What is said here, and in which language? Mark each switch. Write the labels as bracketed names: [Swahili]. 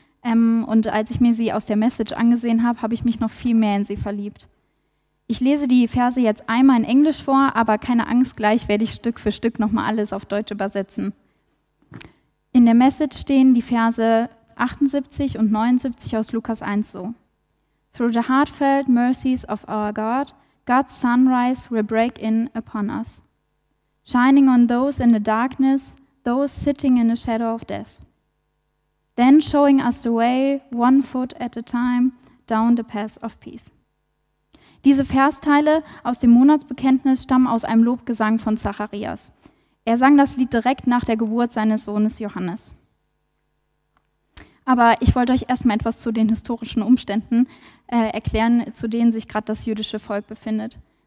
[German] Und als ich mir sie aus der Message angesehen habe, habe ich mich noch viel mehr in sie verliebt. Ich lese die Verse jetzt einmal in Englisch vor, aber keine Angst, gleich werde ich Stück für Stück nochmal alles auf Deutsch übersetzen. In der Message stehen die Verse 78 und 79 aus Lukas 1 so. [English] Through the heartfelt mercies of our God, God's sunrise will break in upon us. Shining on those in the darkness, those sitting in the shadow of death. Then showing us the way, one foot at a time, down the path of peace. [German] Diese Versteile aus dem Monatsbekenntnis stammen aus einem Lobgesang von Zacharias. Er sang das Lied direkt nach der Geburt seines Sohnes Johannes. Aber ich wollte euch erstmal etwas zu den historischen Umständen erklären, zu denen sich gerade das jüdische Volk befindet.